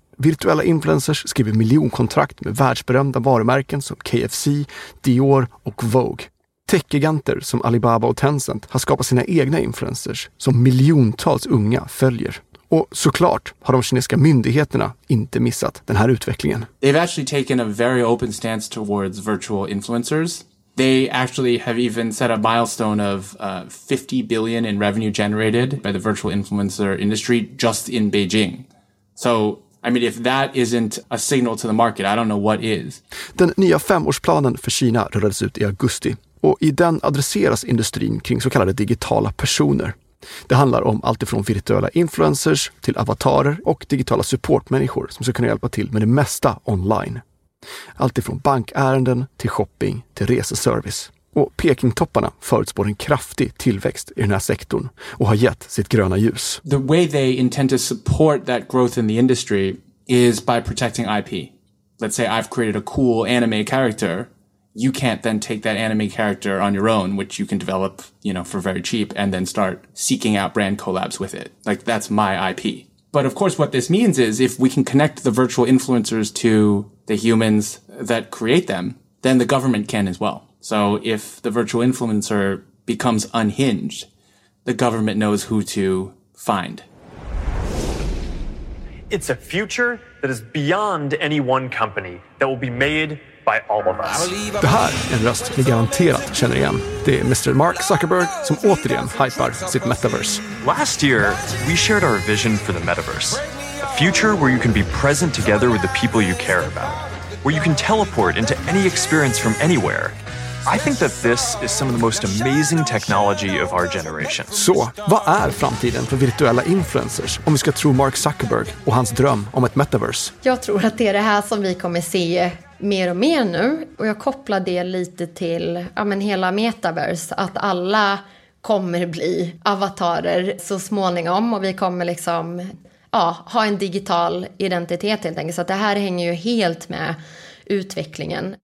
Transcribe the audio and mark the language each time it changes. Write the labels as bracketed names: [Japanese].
[Swedish] Virtuella influencers skriver miljonkontrakt med världsberömda varumärken som KFC, Dior och Vogue. Tech-giganter som Alibaba och Tencent har skapat sina egna influencers som miljontals unga följer. Och såklart har de kinesiska myndigheterna inte missat den här utvecklingen. [English] They've actually taken a very open stance towards virtual influencers. They actually have even set a milestone of 50 billion in revenue generated by the virtual influencer industry just in Beijing. So I mean, if that isn't a signal to the market, I don't know what is. [Swedish] Den nya femårsplanen för Kina rullades ut i augusti. Och i den adresseras industrin kring så kallade digitala personer. Det handlar om allt ifrån virtuella influencers till avatarer och digitala supportmänniskor som ska kunna hjälpa till med det mesta online. Allt ifrån bankärenden till shopping till reseservice. Och Pekingtopparna förutspår en kraftig tillväxt i den här sektorn och har gett sitt gröna ljus. [English] The way they intend to support that growth in the industry is by protecting IP. Let's say I've created a cool anime character. You can't then take that anime character on your own, which you can develop, you know, for very cheap, and then start seeking out brand collabs with it. Like, that's my IP. But of course, what this means is if we can connect the virtual influencers to the humans that create them, then the government can as well. So if the virtual influencer becomes unhinged, the government knows who to find. It's a future that is beyond any one company that will be made by all of us. [Swedish] Det här är en röst ni garanterat känner igen. Det är Mr. Mark Zuckerberg som återigen hypar sitt metaverse. [English] Last year, we shared our vision for the metaverse. A future where you can be present together with the people you care about. Where you can teleport into any experience from anywhere. I think that this is some of the most amazing technology of our generation. [Swedish] Så, vad är framtiden för virtuella influencers om vi ska tro Mark Zuckerberg och hans dröm om ett metaverse? Jag tror att det är det här som vi kommer se mer och mer nu, och jag kopplar det lite till hela metaverse, att alla kommer bli avatarer så småningom, och vi kommer liksom ha en digital identitet helt enkelt. Så att det här hänger ju helt med utvecklingen.